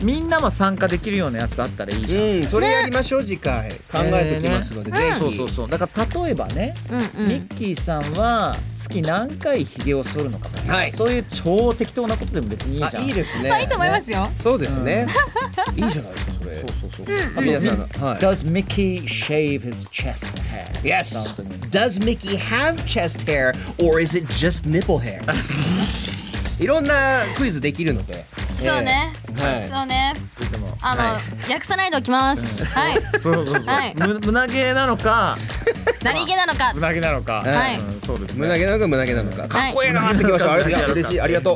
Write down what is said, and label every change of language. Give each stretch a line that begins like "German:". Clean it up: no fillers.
Japanese: みんなも参加できるようなやつあったらいいじゃん、うん、それやりましょう、ね、次回考えておきますので、ねうん、ぜひ。そうそうそう、だから例えばね、うんうん、ミッキーさんは月何回ヒゲを剃るのかとか、はい、そういう超適当なことでも別にいいじゃん。あ、いいですね。まあいいと思いますよ、ね、そうですね、うん、いいじゃないですかそれ。そうそうそう、うんうん、皆さん、
English: はい、Does Mickey shave his chest hair? Yes. Does Mickey have chest hair or is it just nipple hair?
Japanese: いろんなクイズできるので、そうね、はい、そうね、あの、はい、訳さないでおきます、うん、はい、そうそうそう、胸毛なのか何毛なのか、胸毛なのか、はい、うん、そうですね、胸毛なのか胸毛なのか、かっこいいなってきました。ありがとう、嬉しい、ありがとう、